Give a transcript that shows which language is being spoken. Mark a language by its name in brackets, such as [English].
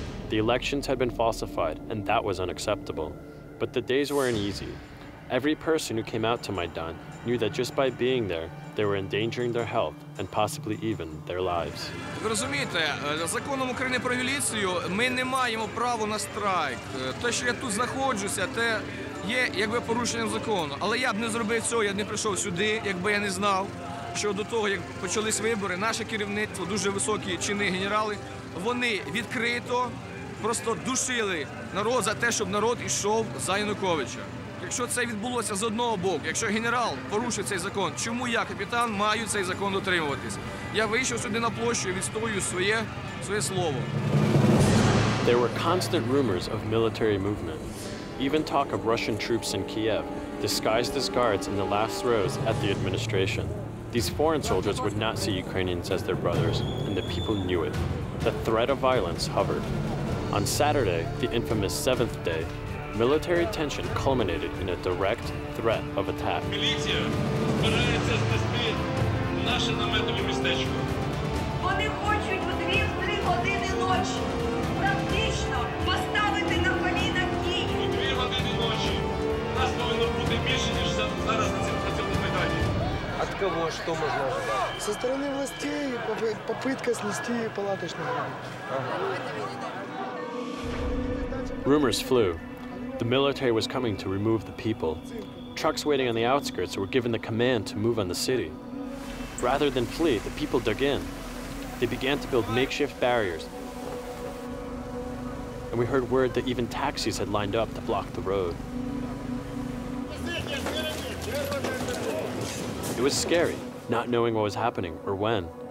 [English] The elections had been falsified, and that was unacceptable. But the days weren't easy. Every person who came out to Maidan knew that just by being there, they were endangering their health and possibly even their lives. [Ukrainian] Ви розумієте, законом України про міліцію ми не маємо права на страйк. Те, що я тут знаходжуся, те є якби порушенням закону. Але я б не зробив цього, я б не прийшов сюди, якби я не знав. Що до того, як почались вибори, наше керівництво, дуже високі чини генерали, вони відкрито просто душили народ за те, щоб народ йшов за Януковича. Якщо це відбулося з одного боку, якщо генерал порушив цей закон, чому я, капітан, маю цей закон дотримуватись? Я вийшов сюди на площу і відстоюю своє слово. [English] There were constant rumors of military movement. Even talk of Russian troops in Kiev, disguised as guards in the last rows at the administration. These foreign soldiers would not see Ukrainians as their brothers, and the people knew it. The threat of violence hovered. On Saturday, the infamous seventh day, military tension culminated in a direct threat of attack. [Ukrainian] Міліція збирається знести наше наметове містечко. Вони хочуть у 2-3 години ночі практично поставити на коліна Київ. У 2 години ночі у нас повинно бути більше, ніж зараз на цьому питанні. От кого, що можна? Зі сторони властей попытка снести палаточний будинок. [English] Rumors flew. The military was coming to remove the people. Trucks waiting on the outskirts were given the command to move on the city. Rather than flee, the people dug in. They began to build makeshift barriers. And we heard word that even taxis had lined up to block the road. It was scary, not knowing what was happening or when.